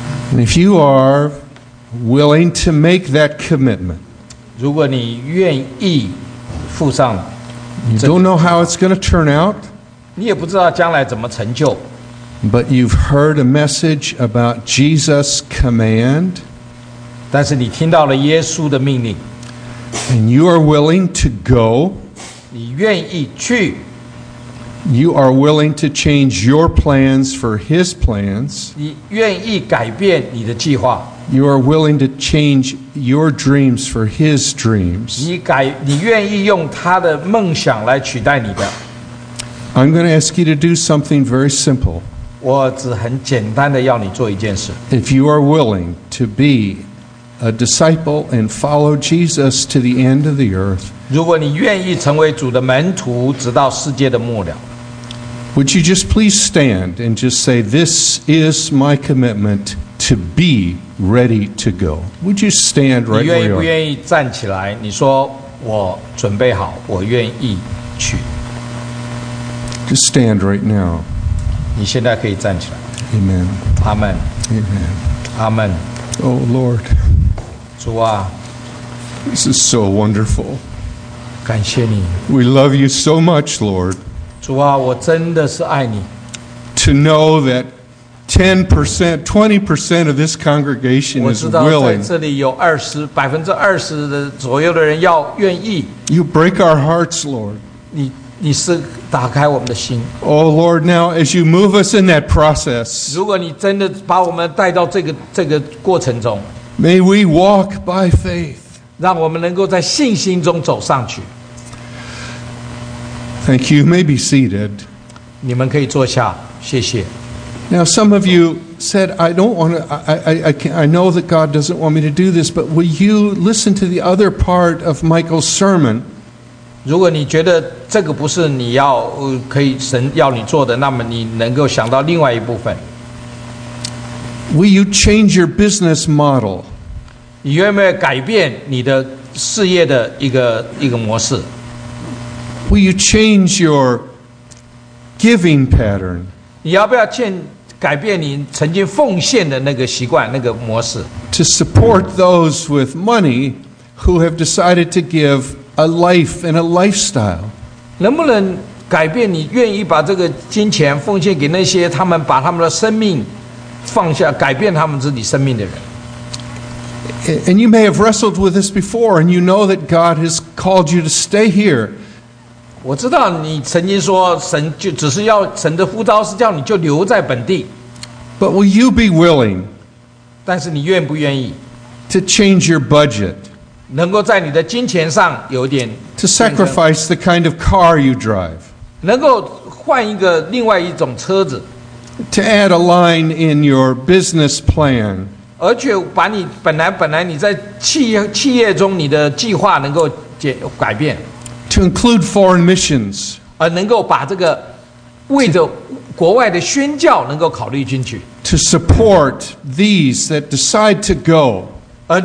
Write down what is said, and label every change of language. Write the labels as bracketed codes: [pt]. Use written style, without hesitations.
[en] And if you are willing to make that commitment, [zh] 如果你愿意付上, [en] you don't know how it's going to turn out, [zh] 你也不知道将来怎么成就, [en] but you've heard a message about Jesus' command, [zh] 但是你听到了耶稣的命令, [en] and you are willing to go, [zh] 你愿意去, [en] you are willing to change your plans for his plans. [zh] 你愿意改变你的计划。 [en] You are willing to change your dreams for his dreams. [zh] 你愿意用他的梦想来取代你的。 [en] I'm going to ask you to do something very simple. [zh] 我只很简单的要你做一件事。 [en] If you are willing to be a disciple and follow Jesus to the end of the earth, [zh] 如果你愿意成为主的门徒直到世界的末了。 [en] Would you just please stand and just say, this is my commitment to be ready to go. Would you stand right where you are? [zh] 你愿不愿意站起来? 你说我准备好, 我愿意去。 [en] Just stand right now. [zh] 你现在可以站起来。 [en] Amen. Amen. Amen. Amen. Oh, Lord. [zh] 主啊, [en] this is so wonderful. [zh] 感谢你。 [en] We love you so much, Lord. [zh] 主啊,我真的是爱你。 [en] To know that 10%, 20% of this congregation is willing. [zh] 20%的左右的人要愿意。 [en] You break our hearts, Lord. [zh] 你是打开我们的心。 [en] Oh Lord, now as you move us in that process, [zh] 如果你真的把我们带到这个过程中, [en] may we walk by faith. [zh] 让我们能够在信心中走上去。 [en] Thank you. You may be seated. [zh] 你们可以坐下，谢谢。 [en] Now, some of you said, "I don't want to. I know that God doesn't want me to do this, but will you listen to the other part of Michael's sermon?" [zh] 如果你觉得这个不是你要可以神要你做的，那么你能够想到另外一部分。 [en] Will you change your business model? [zh] 你愿不愿意改变你的事业的一个模式？ [en] Will you change your giving pattern? [zh] 你要不要改变你曾经奉献的那个习惯、那个模式 [en] ？To support those with money who have decided to give a life and a lifestyle. [zh] 能不能改变你愿意把这个金钱奉献给那些他们把他们的生命放下、改变他们自己生命的人？ [en] And you may have wrestled with this before, and you know that God has called you to stay here. [zh] 我知道你曾经说神就只是要神的呼召是叫你就留在本地。 [en] But will you be willing? [zh] 但是你愿不愿意 [en] ？To change your budget. [zh] 能够在你的金钱上有点。 [en] To sacrifice the kind of car you drive. [zh] 能够换一个另外一种车子。 [en] To add a line in your business plan. [zh] 而且把你本来你在企业中你的计划能够改变。 [en] To include foreign missions, [zh] 能够把这个为着国外的宣教能够考虑进去。 [en] To support these that decide to go,